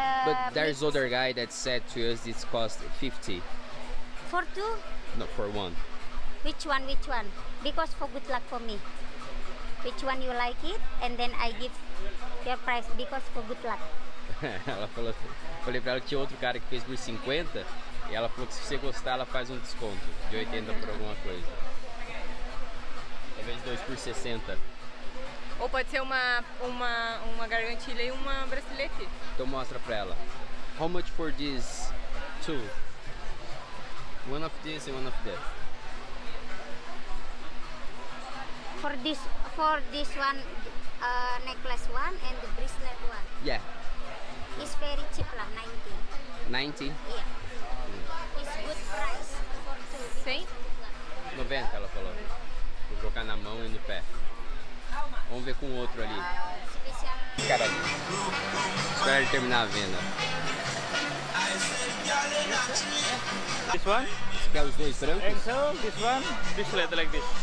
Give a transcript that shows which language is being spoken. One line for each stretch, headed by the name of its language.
English: but there's other guy that said to us this cost 50. For two? No, for one. Which one? Because for good luck for me. Which one you like it, and then I give your price, because for good luck.
Portuguese: Ela falou, falei pra ela que tinha outro cara que fez por 50, e ela falou que se você gostar, ela faz um desconto de 80 por alguma coisa. Talvez 2 por 60. Ou pode ser uma gargantilha e uma bracelete. Então mostra pra ela.
English: How much for this two? One of this and one of that. For this one, necklace one and the bracelet one. Yeah. It's very cheap lah, 90. 90? Yeah. Mm. It's good price for two. 100?
Portuguese: 90, ela falou. Vou colocar na mão e no pé. Vamos ver com o outro ali. Cara, espera ele terminar a venda.
English: This one?
Portuguese: Você quer os dois brancos? Então,
English: this one, this leather like this.